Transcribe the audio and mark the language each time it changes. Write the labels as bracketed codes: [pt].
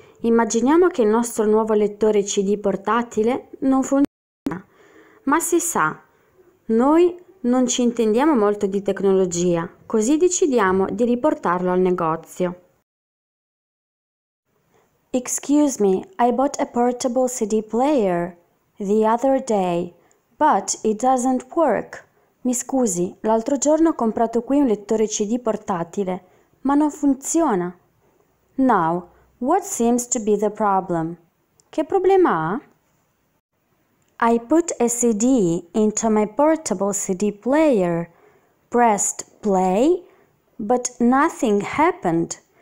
[it] Immaginiamo che il nostro nuovo lettore CD portatile non funziona. Ma si sa, noi non ci intendiamo molto di tecnologia, così decidiamo di riportarlo al negozio. [en] Excuse me, I bought a portable CD player the other day, but it doesn't work. [it] Mi scusi, l'altro giorno ho comprato qui un lettore CD portatile, ma non funziona. [en] Now, what seems to be the problem? [it] Che problema ha? [en] I put a CD into my portable CD player, pressed play, but nothing happened.